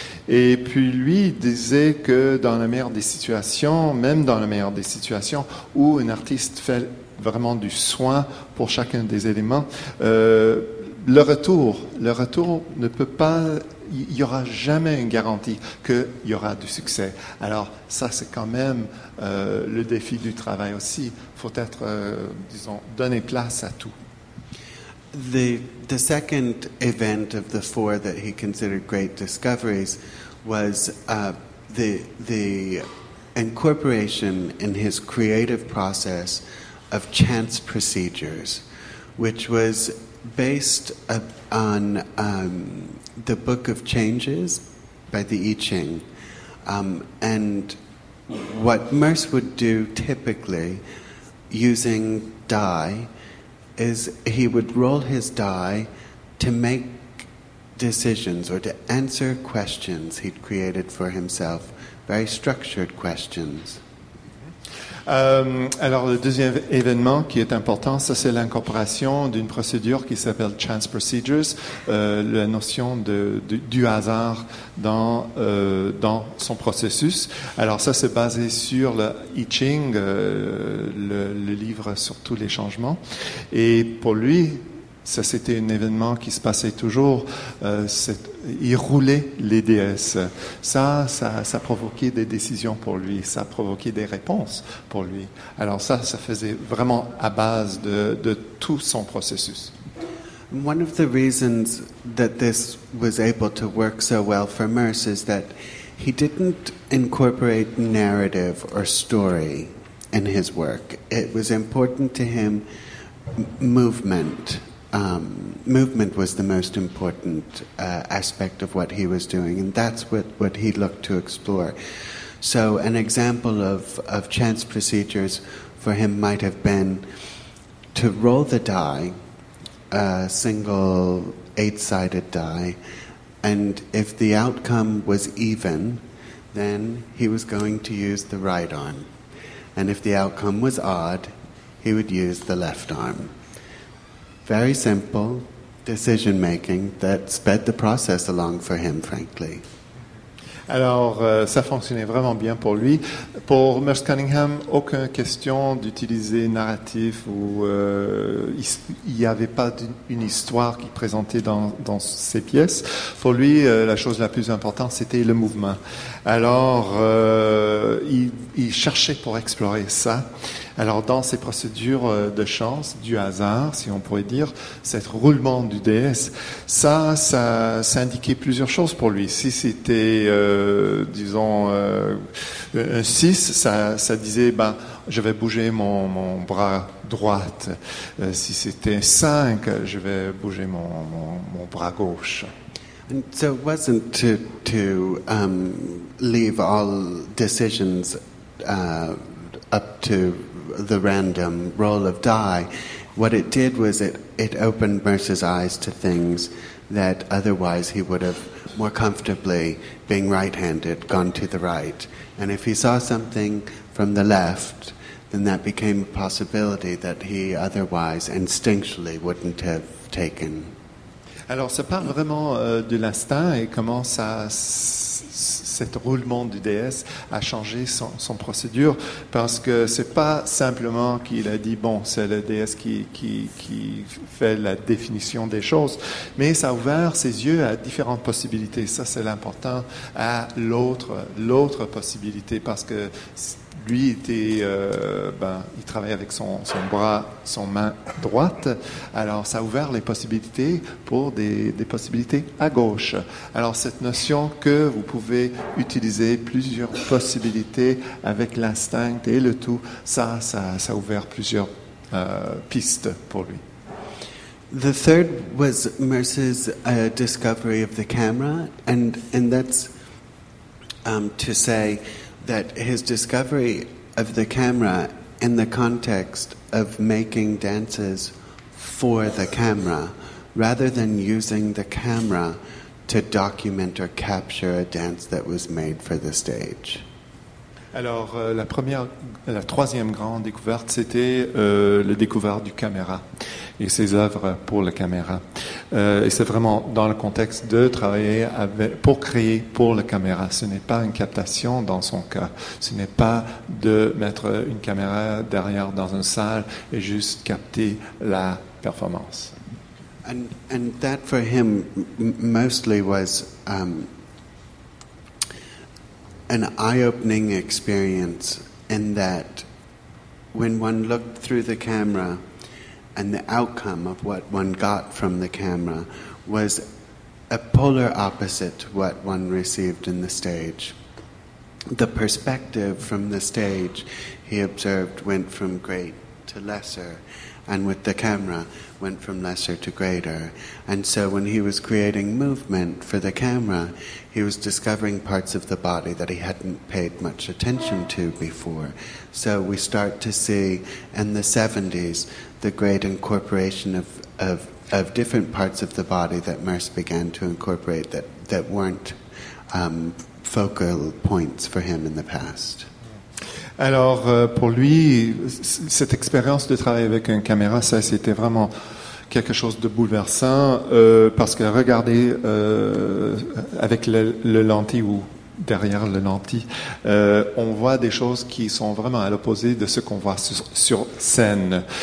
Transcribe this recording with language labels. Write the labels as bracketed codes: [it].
[fr] Et puis lui disait que dans la meilleure des situations, même dans la meilleure des situations où un artiste fait vraiment du soin pour chacun des éléments, le retour ne peut pas, il y aura jamais une garantie qu'il y aura du succès. Alors ça, c'est quand même le défi du travail aussi. Faut être, disons, donner place à tout. [en] The second event of the four that he considered great discoveries was the incorporation in his creative process of chance procedures, which was based on the Book of Changes by the I Ching. And what Meuss would do typically using die is he would roll his die to make decisions or to answer questions he'd created for himself, very structured questions. [fr] Alors, le deuxième événement qui est important, ça c'est l'incorporation d'une procédure qui s'appelle [en] chance procedures, [fr] la notion du hasard dans son processus. Alors ça, c'est basé sur le I Ching, le livre sur tous les changements. Et pour lui, ça c'était un événement qui se passait toujours, il roulait les DS. Ça provoquait des décisions pour lui, ça provoquait des réponses pour lui. Alors ça faisait vraiment à base de tout son processus. [en] One of the reasons that this was able to work so well for Meuss is that he didn't incorporate narrative or story in his work. It was important to him movement. Movement was the most important aspect of what he was doing, and that's what he looked to explore. So an example of chance procedures for him might have been to roll the die, a single eight-sided die, and if the outcome was even, then he was going to use the right arm. And if the outcome was odd, he would use the left arm. Very simple, decision making that sped the process along for him, frankly. [fr] Alors, ça fonctionnait vraiment bien pour lui. Pour Merce Cunningham, aucune question d'utiliser narratif ou il n'y avait pas une histoire qui présentait dans ses pièces. Pour lui, la chose la plus importante, c'était le mouvement. Alors, il cherchait pour explorer ça. Alors, dans ces procédures de chance, du hasard, si on pourrait dire, cet roulement du DS, ça indiquait plusieurs choses pour lui. Si c'était, un 6, ça disait, je vais bouger mon bras droit. Si c'était un 5, je vais bouger mon bras gauche. [en] And so it wasn't to leave all decisions up to the random roll of die. What it did was it opened Merce's eyes to things that otherwise he would have more comfortably, being right-handed, gone to the right. And if he saw something from the left, then that became a possibility that he otherwise instinctually wouldn't have taken. [fr] Alors, ça parle vraiment de l'instinct et comment ça, cet roulement du DS a changé son procédure, parce que c'est pas simplement qu'il a dit c'est le DS qui fait la définition des choses, mais ça a ouvert ses yeux à différentes possibilités. Ça, c'est l'important, à l'autre possibilité, parce que lui était, il travaillait avec son bras, son main droite. Alors, ça a ouvert les possibilités pour des possibilités à gauche. Alors, cette notion que vous pouvez utiliser plusieurs possibilités avec l'instinct et le tout, ça a ouvert plusieurs pistes pour lui. [en] The third was Merce's discovery of the camera, and that's to say that his discovery of the camera in the context of making dances for the camera, rather than using the camera to document or capture a dance that was made for the stage. [fr] Alors, la troisième grande découverte, c'était le découvert du caméra et ses œuvres pour la caméra. Et c'est vraiment dans le contexte de travailler pour créer pour la caméra. Ce n'est pas une captation dans son cas. Ce n'est pas de mettre une caméra derrière dans une salle et juste capter la performance. [en] And that for him mostly was an eye-opening experience, in that when one looked through the camera and the outcome of what one got from the camera was a polar opposite to what one received in the stage. The perspective from the stage, he observed, went from great to lesser, and with the camera went from lesser to greater. And so when he was creating movement for the camera, he was discovering parts of the body that he hadn't paid much attention to before. So we start to see in the 70s the great incorporation of different parts of the body that Merce began to incorporate that weren't focal points for him in the past. [fr] Alors, pour lui, cette expérience de travailler avec une caméra, ça, c'était vraiment quelque chose de bouleversant, parce que regarder avec le lentille ou derrière le lentille, on voit des choses qui sont vraiment à l'opposé de ce qu'on voit sur scène.